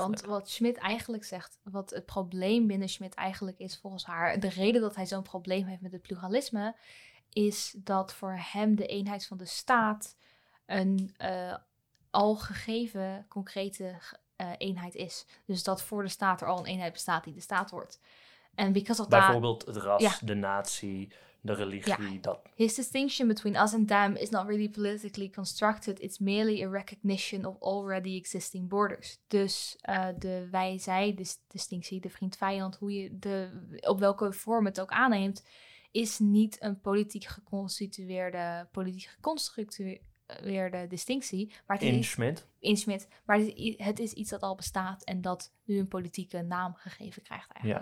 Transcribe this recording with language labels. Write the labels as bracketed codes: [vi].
[nl] Want wat Schmidt eigenlijk zegt, wat het probleem binnen Schmidt eigenlijk is volgens haar, de reden dat hij zo'n probleem heeft met het pluralisme, is dat voor hem de eenheid van de staat een al gegeven concrete eenheid is. Dus dat voor de staat er al een eenheid bestaat die de staat wordt. [en] And because of [nl] bijvoorbeeld het ras, de natie, de religie, dat. [en] His distinction between us and them is not really politically constructed. It's merely a recognition of already existing borders. [nl] Dus de wij-zij distinctie, de vriend-vijand, hoe je op welke vorm het ook aanneemt, is niet een politiek geconstrueerde distinctie. Maar In Schmidt. Maar het is iets dat al bestaat en dat nu een politieke naam gegeven krijgt eigenlijk.